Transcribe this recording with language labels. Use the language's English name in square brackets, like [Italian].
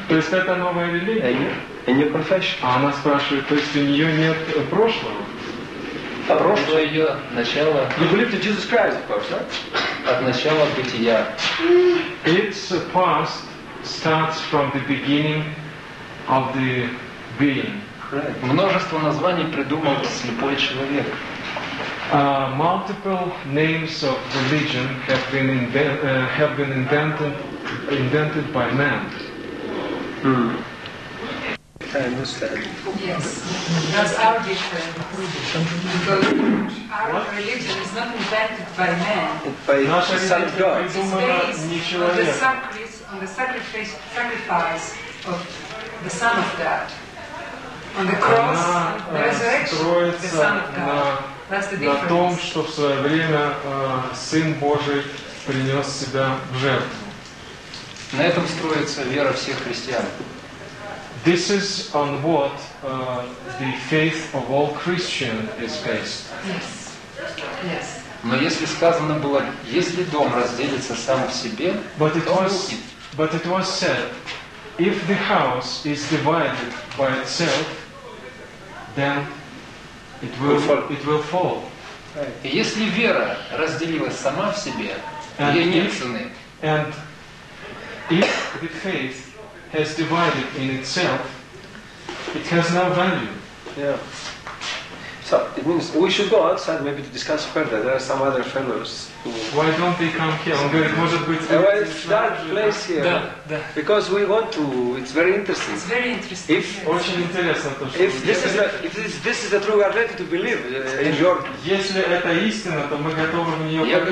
[Russian] То есть это новая религия? [English] A new confession. [Russian] А она спрашивает, то есть у нее нет прошлого? А прошлое ее начало... [English] You believe in Jesus Christ, of course, right? [Russian] От начала бытия. [English] Its past starts from the beginning of the being. Right. [Russian] Множество названий придумал слепой человек. [English] Multiple names of religion have been invented by man. I understand. Yes, because our religion is not invented by man. By the Son of God. It's based on the sacrifice of the Son of God. On the cross, the resurrection of the Son of God. [Russian] На том, что в свое время Сын Божий принес себя в жертву. На этом строится вера всех христиан. [English] This is on what the faith of all Christian is based. Yes. Yes. [Russian] Но если сказано было, если дом разделится сам в себе, [English] But it was said, if the house is divided by itself, then It will fall. Right. [Russian] Если вера разделилась сама в себе, ей нет цены. [English] And if the faith has divided in itself, it has no value. Yeah. So it means we should go outside maybe to discuss further. There are some other fellows. Why don't they come here? I'm going to go to the dark place here. [Russian] Да, да. [English] Because we want to. It's very interesting. It's very interesting. If, yes. [Russian] Очень интересно то, что. [English] If this is if this is the true reality to believe in your. [Russian] Если это истина, то мы готовы в нее